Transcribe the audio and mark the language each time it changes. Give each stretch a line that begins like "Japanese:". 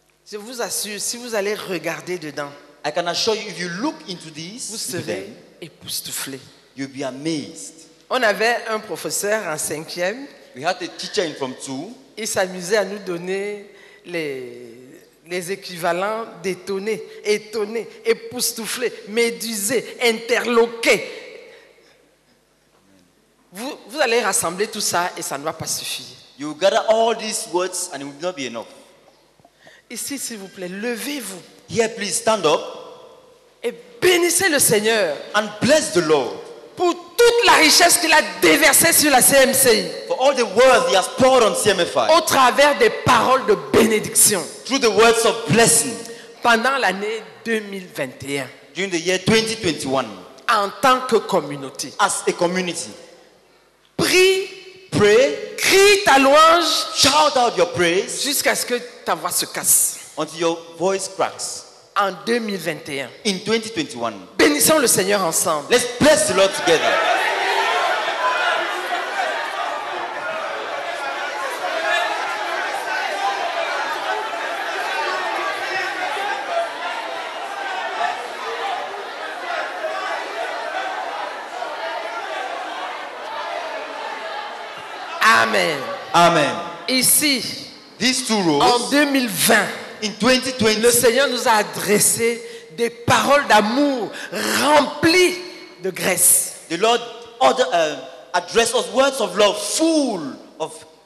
French: Je vous assure, si vous allez regarder dedans,
English: I can assure you, if you look into this,
French: vous serez époustouflé.
English: You'll be amazed.
French: On avait un professeur en cinquième.
English: We had a teacher in form two.
French: Il s'amusait à nous donner les équivalents d'étonné, étonné, époustouflé, médusé, interloqué. Vous allez rassembler tout ça et ça ne va pas suffire.
English: You will gather all these words and it will not be enough.
French: Ici, s'il vous plaît, levez-vous.
English: Here, please stand up.
French: Et bénissez le Seigneur.
English: And bless the Lord.
French: Pour toute la richesse qu'il a déversée sur la CMC.
English: For all the words he has poured on CMFI.
French: Au travers des paroles de bénédiction.
English: Through the words of blessing.
French: Pendant l'année 2021.
English: During the year 2021.
French: En tant que communauté.
English: As a community.
French: Prie.
English: Pray.
French: Crie ta louange.
English: Shout out your praise.
French: Jusqu'à ce que ta voix se casse.
English: Until your voice cracks.
French: En 2021.
English: In 2021.
French: Bénissons le Seigneur ensemble.
English: Let's bless the Lord together. Amen. Amen.
French: Ici.
English: These two rows.
French: En 2020.
English: In 2020,
French: le Seigneur nous a adressé des paroles d'amour remplies de graisse.
English: The Lord addressed us words of love full of